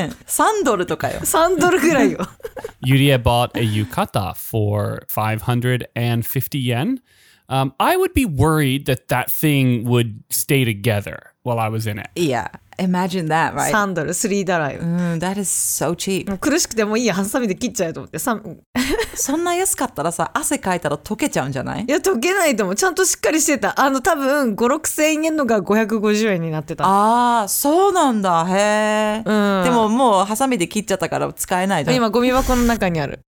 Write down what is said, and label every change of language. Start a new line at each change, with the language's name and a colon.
Japanese: いくらすると思う?浴衣って、浴衣って結構高いやん。なんかさ、すごい安いって言うから何?1998円とか。と思うやん。550円で買ったんよ。嘘。ほぼタダじゃん。ほぼタダだよね。5ドルで買ったの。5ドルも1000、3ドルとかよ。3ドルぐらいよ。
English: Yurie bought a yukata for 550 yen. I would be worried that that thing would stay together while I was in it. Yeah, imagine that, right? Sandal, $3. That is so cheap.
Japanese: もう苦しくてもいいよ、ハサミで切っちゃうと思って。そんな安かったらさ、汗かいたら溶けちゃうんじゃない?いや、溶けないと思う。ちゃんとしっかりしてた。あの、多分5、6千円のが550円になってた。ああ、そうなんだ。へえ。でももうハサミで切っちゃったから使えないと。今ゴミ箱の中にある。